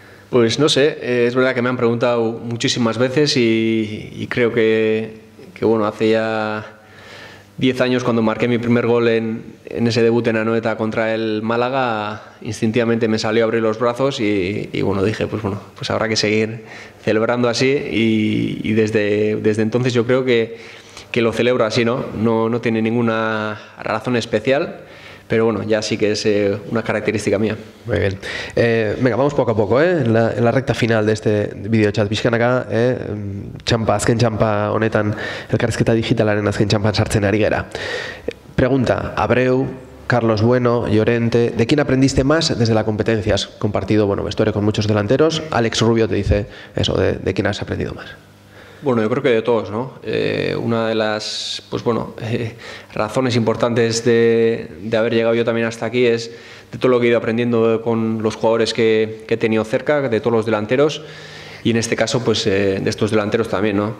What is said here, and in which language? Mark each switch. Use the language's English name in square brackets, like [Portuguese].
[Spanish] Pues no sé, es verdad que me han preguntado muchísimas veces y creo que bueno, hace ya 10 años cuando marqué mi primer gol en ese debut en Anoeta contra el Málaga, instintivamente me salió a abrir los brazos y bueno, dije, pues bueno, pues habrá que seguir celebrando así y desde entonces yo creo que lo celebro así, ¿no? No tiene ninguna razón especial. Pero bueno, ya sí que es una característica mía. Muy bien. Venga, vamos poco a poco, en la recta final de este videochat. [Basque] Bizkanaka, txampa, azken txampa honetan, elkarrizketa digitalaren azken txampan sartzen ari gera. [Spanish] Pregunta, Abreu, Carlos Bueno, Llorente, ¿de quién aprendiste más desde la competencia? Has compartido, bueno, vestuario con muchos delanteros. Alex Rubio te dice eso, ¿de quién has aprendido más? Bueno, yo creo que de todos, ¿no? Una de las, pues bueno, razones importantes de haber llegado yo también hasta aquí es de todo lo que he ido aprendiendo con los jugadores que he tenido cerca, de todos los delanteros, y en este caso, pues de estos delanteros también, ¿no?